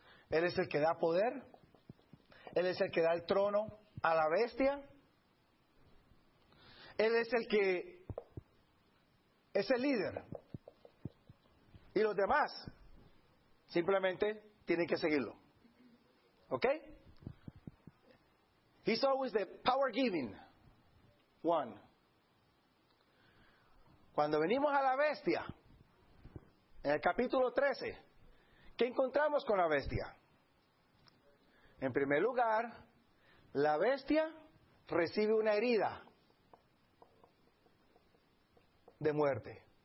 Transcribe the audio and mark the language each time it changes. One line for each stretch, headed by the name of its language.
Spanish: Él es el que da poder. Él es el que da el trono a la bestia. Él es el que es el líder. Y los demás simplemente tienen que seguirlo. ¿Ok?
English: He's always the power giving one.
Spanish: Cuando venimos a la bestia, en el capítulo 13, ¿qué encontramos con la bestia? En primer lugar, la bestia recibe una herida de muerte.